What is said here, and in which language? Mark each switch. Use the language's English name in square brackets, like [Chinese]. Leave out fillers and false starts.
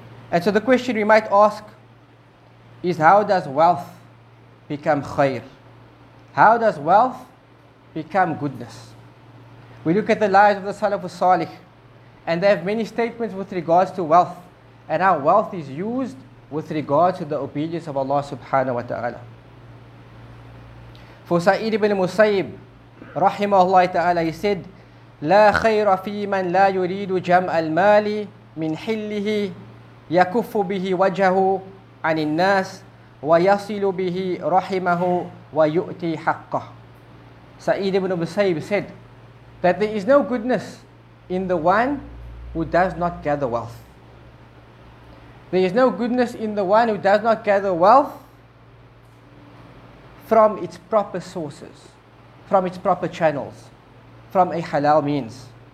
[English] And so the question we might ask is, how does wealth become khair? How does wealth become goodness? We look at the lives of the Salaf al-Salih, and they have many statements with regards to wealth and how wealth is used with regards to the obedience of Allah subhanahu wa ta'ala. For Sa'id ibn Musayyib, rahimahullah ta'ala, he said, [Arabic] لا خير في من لا يريد جمع المال من حله يكف به وجهه عن الناس ويصل به رحمه ويؤتي حقه. [English] Sa'id ibn Musayyib said that there is no goodness in the one who does not gather wealth. There is no goodness in the one who does not gather wealth from its proper sources, from its proper channels, from a halal means.